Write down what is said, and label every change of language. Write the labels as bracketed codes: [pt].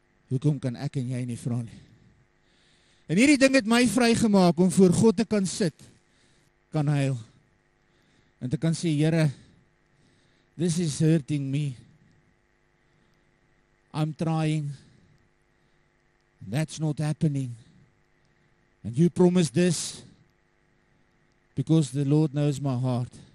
[af] Hoekom kan ek en jy nie vra nie? En hierdie ding het my vrygemaak om voor God te kan sit, kan huil. En te kan sê, Here, [en] this is hurting me. I'm trying. That's not happening. And you promised this because the Lord knows my heart.